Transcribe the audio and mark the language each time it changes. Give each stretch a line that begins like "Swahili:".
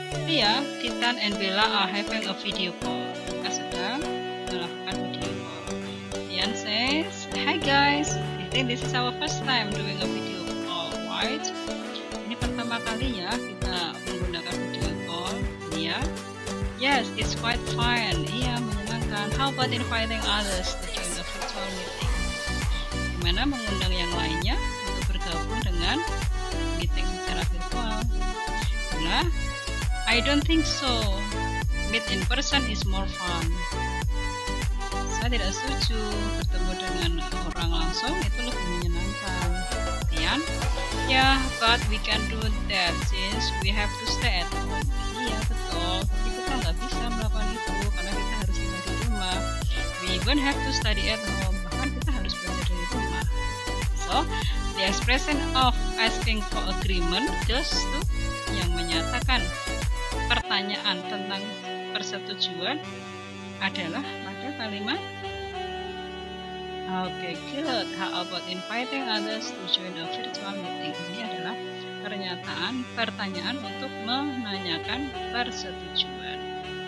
English: Ya, Titan and Bella are having a video call.
Indonesian: Mereka sedang melakukan video call.
English: Ian says, "Hi guys, I think this is our first time doing a video call, right?"
Indonesian: Ini pertama kalinya kita menggunakan video call, ya.
English: "Yes, it's quite fun."
Indonesian: Iya, menyenangkan.
English: "How about inviting others to join the virtual meeting?"
Indonesian: Gimana mengundang yang lainnya untuk bergabung dengan meeting secara virtual?
English: Bella, "I don't think so. Meet in person is more fun."
Indonesian: Saya tidak setuju, bertemu dengan orang langsung itu lebih menyenangkan.
English: Ian, "Yeah, but we can do that since we have to stay at home."
Indonesian: Iya betul, tapi kita nggak bisa melakukan itu karena kita harus tinggal di rumah.
English: "We even have to study at home."
Indonesian: Bahkan kita harus belajar dari rumah.
English: So, the expression of asking for agreement just to
Indonesian: yang menyatakan pertanyaan tentang persetujuan adalah pada kalimat
English: okay, good. "How about inviting others to join the virtual meeting?"
Indonesian: Ini adalah pernyataan pertanyaan untuk menanyakan persetujuan.